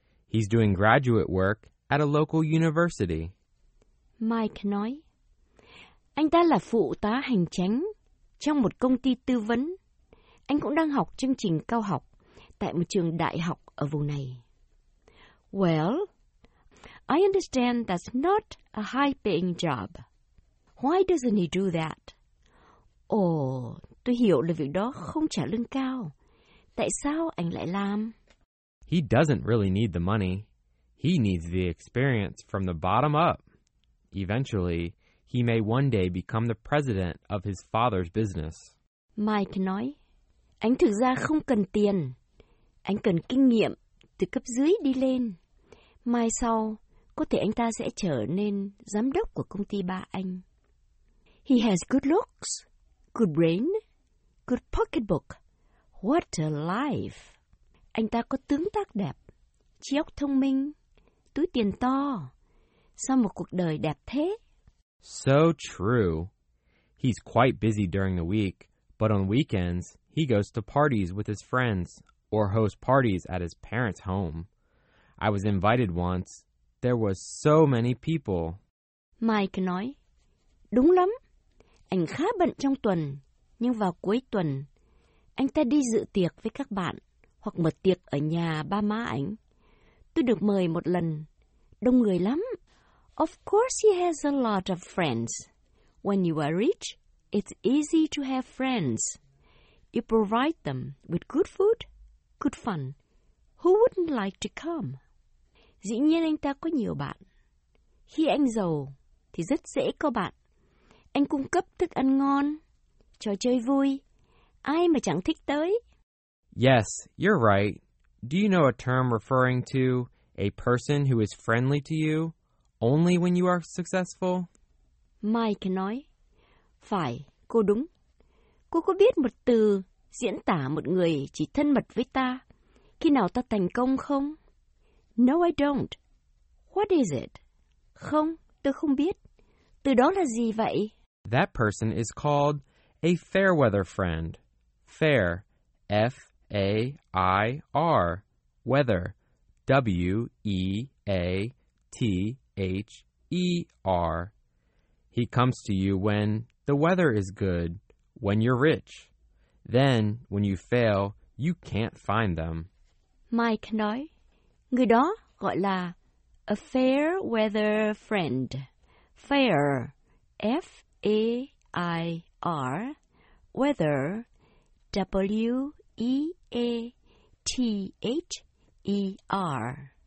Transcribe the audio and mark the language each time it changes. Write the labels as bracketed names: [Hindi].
[English] He's doing graduate work at a local university. [Vietnamese] Mike nói, anh ta là phụ tá hành chính trong một công ty tư vấn. Anh cũng đang học chương trình cao học tại một trường đại học ở vùng này. [English] Well, I understand that's not a high-paying job. Why doesn't he do that? [Vietnamese] Oh, tôi hiểu là việc đó không trả lương cao. Tại sao anh lại làm? [English] He doesn't really need the money. He needs the experience from the bottom up. Eventually, he may one day become the president of his father's business. [Vietnamese] Mike nói, anh thực ra không cần tiền. Anh cần kinh nghiệm từ cấp dưới đi lên. Mai sau, có thể anh ta sẽ trở nên giám đốc của công ty ba anh. [English] He has good looks, good brain, good pocketbook. What a life! [Vietnamese] Anh ta có tướng tác đẹp, trí óc thông minh, túi tiền to. Sao một cuộc đời đẹp thế? [English] So true. He's quite busy during the week, but on weekends, he goes to parties with his friends or hosts parties at his parents' home. I was invited once. There was so many people. [Vietnamese] Mike nói, đúng lắm. Anh khá bận trong tuần, nhưng vào cuối tuần, anh ta đi dự tiệc với các bạn hoặc mở tiệc ở nhà ba má anh. Tôi được mời một lần. Đông người lắm. [English] Of course he has a lot of friends. When you are rich, it's easy to have friends. You provide them with good food, good fun. Who wouldn't like to come? [Vietnamese] Dĩ nhiên anh ta có nhiều bạn. Khi anh giàu, thì rất dễ có bạn. Anh cung cấp thức ăn ngon, trò chơi vui. Ai mà chẳng thích tới? [English] Yes, you're right. Do you know a term referring to a person who is friendly to you only when you are successful? [Vietnamese] Mike nói, phải, cô đúng. Cô có biết một từ diễn tả một người chỉ thân mật với ta khi nào ta thành công không? [English] No, I don't. What is it? [Vietnamese] Không, tôi không biết. Từ đó là gì vậy? [English] That person is called a fair weather friend. Fair, F-A-I-R, weather, W-E-A-T-H-E-R. He comes to you when the weather is good, when you're rich. Then, when you fail, you can't find them. [Vietnamese] Mike nói, người đó gọi là [English] a fair weather friend. Fair, F-A-I-R, weather, W-E-A-T-H-E-R.